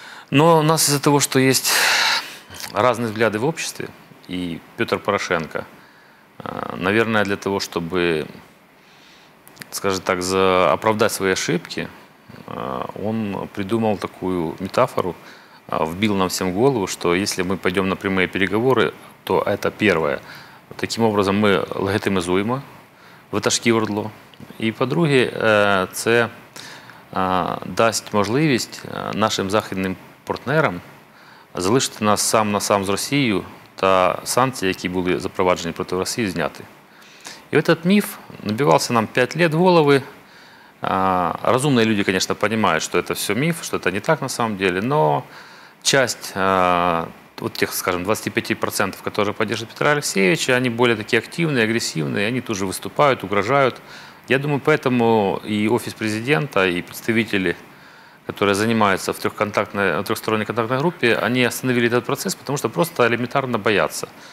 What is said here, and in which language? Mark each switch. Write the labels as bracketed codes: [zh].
[ru] Но у нас из-за того, что есть разные взгляды в обществе, и Петр Порошенко, наверное, для того, чтобы, скажем так, оправдать свои ошибки, он придумал такую метафору, вбил нам всем голову, что если мы пойдем на прямые переговоры, то это первое. [uk] Таким образом, мы легитимизуємо ватажків ОРДЛО. І, по-друге, це дасть можливість нашим західним партнерам залишити нас сам на сам з Росією та санкції, які були запроваджені проти Росії, зняти. І цей міф набивався нам 5 років в голови. Розумні люди, звісно, розуміють, що це все міф, що це не так [ru] на самом деле, [uk] але часть [ru] вот тех, скажем, 25%, которые поддерживают Петра Алексеевича, они более такие активные, агрессивные, они тоже выступают, угрожают. Я думаю, поэтому и офис президента, и представители, которые занимаются в трехсторонней контактной группе, они остановили этот процесс, потому что просто элементарно боятся.